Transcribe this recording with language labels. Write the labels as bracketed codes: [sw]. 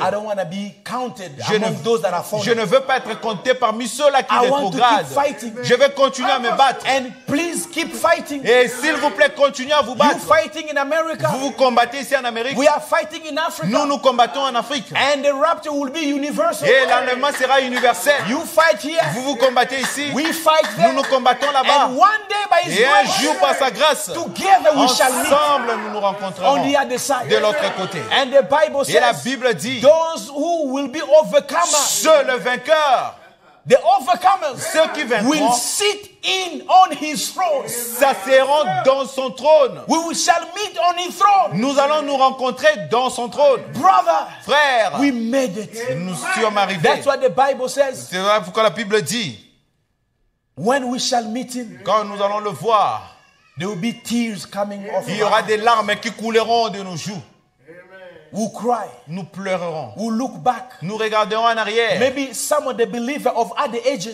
[en] I don't want to be counted among those that are fallen. [fr] Je ne veux pas être compté parmi ceux-là qui rétrogradent. Je vais continuer à me battre. [en] And please keep fighting. [fr] Et s'il vous plaît, continuez à vous battre. [en] You fighting in America. [fr] Vous combattez ici en Amérique. [en] We are fighting in Africa. [fr] Nous combattons en Afrique. [en] And the rapture will be universal. [fr] Et l'enlèvement sera universel. [en] You fight here. [fr] Vous combattez ici. [en] We fight there. [fr] Nous combattons là-bas. [en] And one day by his [fr] et un jour par sa grâce, [en] together we [fr] ensemble [en] shall meet [fr] nous nous rencontrerons de l'autre côté. [en] And the Bible [fr] et [en] says, [fr] la Bible dit, [en] those who will be overcomers, [fr] ceux le vainqueur, [en] the overcomers, [fr] ceux qui vaincront, [en] will sit in on his throne, [fr] s'asseyront dans son trône. [en] We shall meet on his throne. [fr] Nous allons nous rencontrer dans son trône. [en] Brother, [fr] frère, [en] we made it. [fr] Nous sommes arrivés. [en] That's what the Bible says. [fr] C'est vrai, pourquoi la Bible dit. [en] When we shall meet him, [fr] quand nous allons le voir, [en] there will be tears coming off. [fr] Il y aura des larmes qui couleront de nos joues. [en] We cry. [fr] Nous pleurerons. [en] We look back. [fr] Nous regarderons en arrière. [en] Maybe some of the believers of other ages.